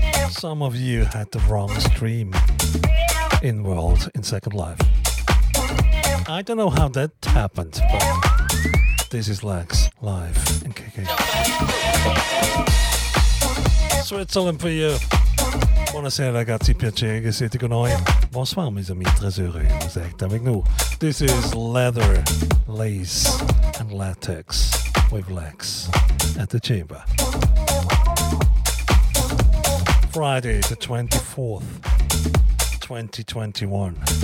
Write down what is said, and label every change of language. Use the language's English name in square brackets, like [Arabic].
[English] Some of you had the wrong stream in World, in Second Life. I don't know how that happened, but this is Lex live in KK. Switzerland for you. [Italian] Buonasera, ragazzi, piacere che siete con noi. [French] Bonsoir, mes amis, très heureux, vous êtes avec nous. [English] This is Leather, Lace and Latex with Lex at the Chamber. Friday the 24th, 2021.